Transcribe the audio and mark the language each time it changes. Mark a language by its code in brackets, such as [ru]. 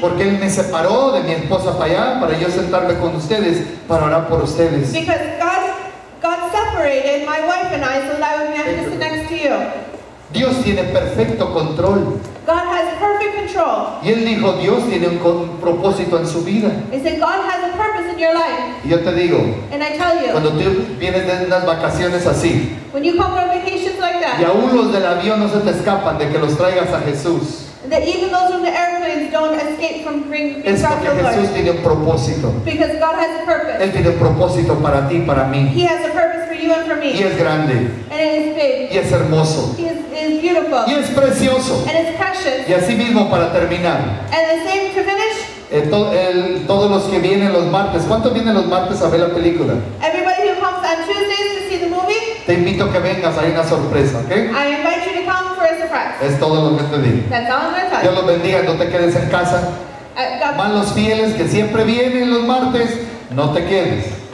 [es] Porque él me separó de mi esposa para allá para yo sentarme con ustedes para orar por ustedes. [en] Because God separated my wife and I so that I would be able to sit next to you. [es] Dios tiene perfecto control. [en] God has perfect control. [es] Y él dijo, Dios tiene un propósito en su vida. [en] He said, God has a purpose in your life. [es] Y yo te digo, [en] and I tell you, [es] cuando tú vienes de unas vacaciones así, [en] when you come from vacations like that, [es] y aún los del avión no se te escapan de que los traigas a Jesús, [en] that even those from the airplanes don't escape from bringing the Lord. [es] Es porque Jesús tiene un propósito. [en] Because God has a purpose. [es] Él tiene un propósito para ti, para mí. [en] He has a purpose for you and for me. [es] Y es grande. [en] And it is big. [es] Y es hermoso. [en] He is is beautiful. [es] Y es precioso. [en] And it's precious. [es] Y así mismo para terminar. [en] And the same to finish. [es] Todos los que vienen los martes. ¿Cuántos vienen los martes a ver la película? [en] Everybody who comes on Tuesdays to see the movie. [es] Te invito a que vengas, hay una sorpresa, ¿ok? [en] I invite you to come for a surprise. [es] Es todo lo que te digo. [en] That's all I'm going to tell you. [es] Dios los bendiga, no te quedes en casa. Más los fieles que siempre vienen los martes, no te quedes.